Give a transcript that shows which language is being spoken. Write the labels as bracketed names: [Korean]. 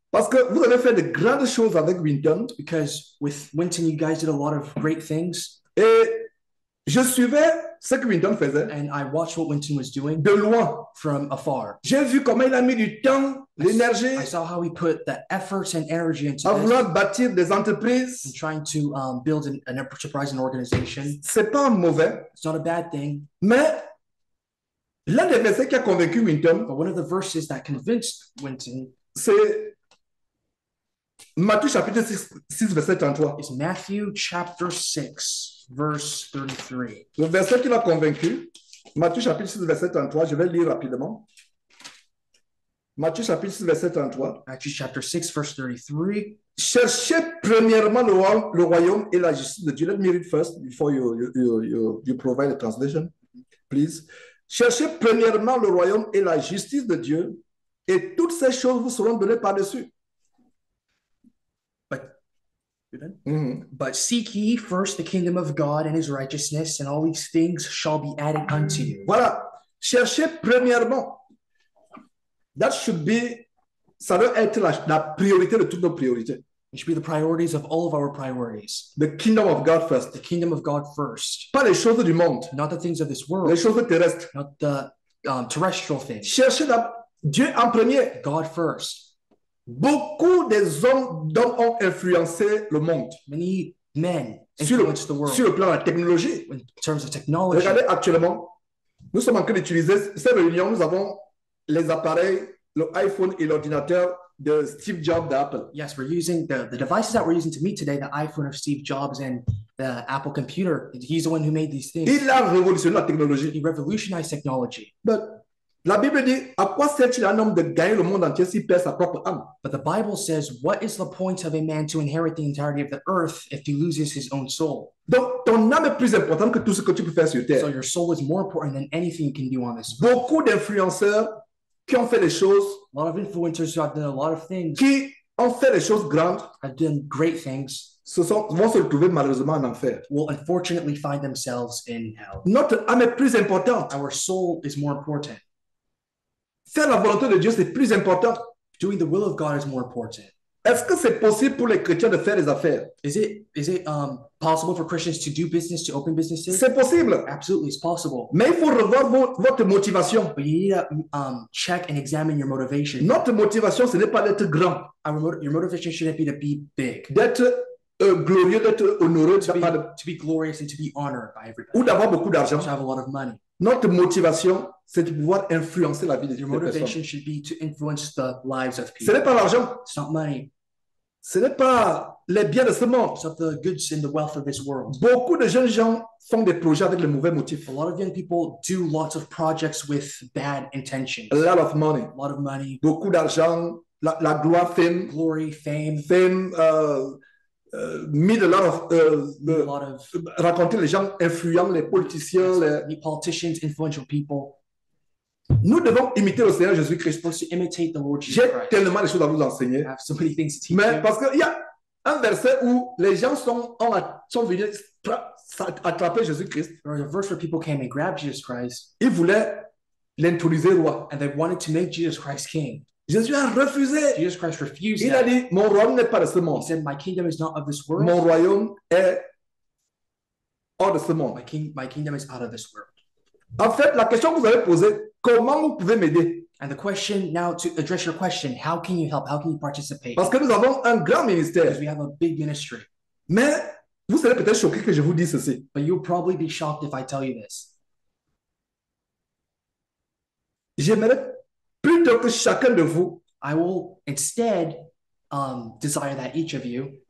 [French] Parce que vous avez fait de grandes choses avec Winton. [English] Because with Winton, you guys did a lot of great things. [French] Et je suivais ce que Winton faisait. [English] And I watched what Winton was doing. [French] De loin. [English] From afar. [French] J'ai vu comment il a mis du temps. L'énergie. [English] I saw how he put the efforts and energy into [French] à vouloir bâtir des entreprises. [English] And trying to build an enterprise and organization. [French] C'est pas mauvais. [English] It's not a bad thing. [French] Mais l'un des versets qui a convaincu Winton. [English] But one of the verses that convinced Winton. [French] C'est Matthieu chapitre 6 verset 33. [English] It's Matthew chapter 6 verse 33. [French] Le verset qui l'a convaincu. Matthieu chapitre 6 verset 33. Je vais lire rapidement. Matthieu chapitre 6, verset 33. Matthieu chapitre 6, verse 33. Cherchez premièrement le royaume et la justice de Dieu. [English] Let me read first before you provide a translation, please. [French] Cherchez premièrement le royaume et la justice de Dieu et toutes ces choses vous seront données par-dessus. [English] But seek ye first the kingdom of God and his righteousness and all these things shall be added unto you. [French] Voilà. Cherchez premièrement. [English] That should be, [French] ça doit être la priorité de toutes nos priorités. [English] It should be the priorities of all of our priorities. The kingdom of God first. The kingdom of God first. [French] Pas les choses du monde. [English] Not the things of this world. [French] Les choses terrestres. [English] Not the terrestrial things. [French] Cherchez Dieu en premier. [English] God first. [French] Beaucoup des hommes d'hommes ont influencé le monde. [English] Many men influenced the world. [French] Sur le plan de la technologie. [English] In terms of technology. [French] Regardez actuellement. Nous sommes en train d'utiliser cette réunion. Nous avons les appareils, le iPhone et l'ordinateur de Steve Jobs d'Apple. [English] Yes, we're using the devices that we're using to meet today, the iPhone of Steve Jobs and the Apple computer. He's the one who made these things. [French] Il a révolutionné la technologie. [English] He revolutionized technology. [French] But la Bible dit, à quoi sert-il un homme de gagner le monde entier s'il perd sa propre âme? [English] But the Bible says, what is the point of a man to inherit the entirety of the earth if he loses his own soul? [French] Donc, ton âme est plus importante que tout ce que tu peux faire sur terre. [English] So your soul is more important than anything you can do on this [French] earth. Beaucoup d'influenceurs qui ont fait des choses, [English] a lot of influencers who have done a lot of things, [French] qui ont fait des choses grandes, [English] have done great things, [French] vont se retrouver malheureusement en enfer. [English] Will unfortunately find themselves in hell. [French] Notre âme est plus importante. [English] Our soul is more important. [French] Faire la volonté de Dieu c'est plus important. [English] Doing the will of God is more important. [French] Est-ce que c'est possible pour les chrétiens de faire des affaires? [English] Is it possible for Christians to do business, to open businesses? [French] C'est possible. [English] Absolutely, it's possible. [French] Mais il faut revoir votre motivation. [English] But you need to check and examine your motivation. [French] Notre motivation ce n'est pas d'être grand. [English] Your motivation shouldn't be to be big. [French] D'être glorieux, d'être honoreux, [English] to be glorious and to be honored by everybody. [French] Ou d'avoir beaucoup d'argent. [English] To have a lot of money. [French] Notre motivation, c'est de pouvoir influencer la vie des personnes. [English] Your motivation should be to influence the lives of people. [French] Ce n'est pas l'argent. [English] It's not money. [French] Ce n'est pas les biens de ce monde. [English] It's not the goods and the wealth of this world. [French] Beaucoup de jeunes gens font des projets avec le mauvais motif. [English] A lot of young people do lots of projects with bad intentions. A lot of money. A lot of money. [French] Beaucoup d'argent, la gloire, fame. [English] Glory, fame. Fame, meet a lot of, [French] raconter les gens influents, les politiciens, [English] meet politicians, influential people. [French] Nous devons imiter le Seigneur Jésus Christ. [English] We're supposed to imitate the Lord Jesus [French] J'ai [English] Christ. [French] Tellement de choses à vous enseigner. [English] I have so many things to teach. [French] Mais parce qu'il y a un verset où les gens sont venus attraper Jésus Christ. [English] There was a verse where people came and grabbed Jesus Christ. [French] Ils voulaient l'introduire roi. [English] And they wanted to make Jesus Christ king. [French] Jésus a refusé. [English] Jesus Christ refused. [French] Il a dit, mon royaume n'est pas de ce monde. [English] He said, my kingdom is not of this world. [French] Mon royaume est hors de ce monde. [English] My kingdom is out of this world. [French] En fait, la question que vous avez posée, comment vous pouvez m'aider? [English] And the question now to address your question, how can you help? How can you participate? [French] Parce que nous avons un grand ministère. [English] Because we have a big ministry. [French] Mais vous serez peut-être choqué que je vous dise ceci. [English] But you'll probably be shocked if I tell you this. [French] J'aimerais plutôt que chacun de vous, [English] I will instead desire that each of you